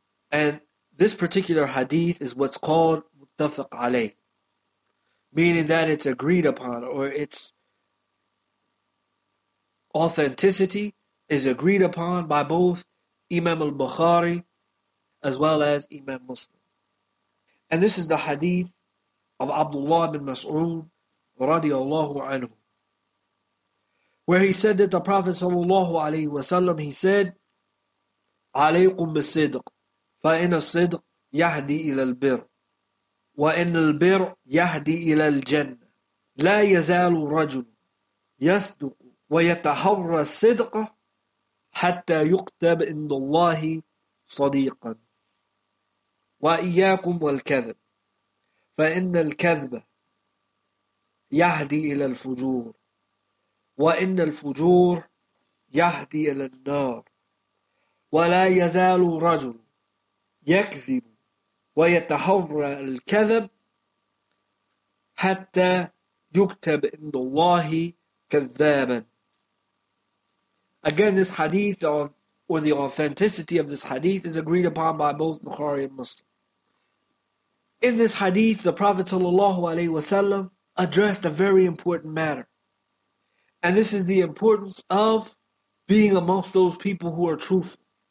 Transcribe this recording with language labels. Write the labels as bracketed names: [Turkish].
[English] And this particular hadith is what's called muttafaq alayh, meaning that it's agreed upon, or its authenticity is agreed upon by both Imam al-Bukhari as well as Imam Muslim. And this is the hadith of Abdullah bin Mas'ud radiallahu anhu, where he said that the Prophet sallallahu alaihi wasallam, he said, [Arabic] عليكم بالصدق فإن الصدق يهدي إلى البر وإن البر يهدي إلى الجنة لا يزال الرجل يصدق ويتحرى الصدق حتى يكتب إن الله صديقا وإياكم والكذب فإن الكذب يهدي إلى الفجور وَإِنَّ الْفُجُورِ يَهْدِي إِلَى النَّارِ وَلَا يَزَالُ رَجُلٌ يَكْذِبُ وَيَتَحَرَّ الْكَذَبِ حَتَّى يُكْتَبْ إِنَّ اللَّهِ كَذَّابًا. [English] Again, this hadith, or the authenticity of this hadith, is agreed upon by both Bukhari and Muslim. In this hadith, the Prophet sallallahu alaihi wasallam addressed a very important matter. And this is the importance of being amongst those people who are truthful.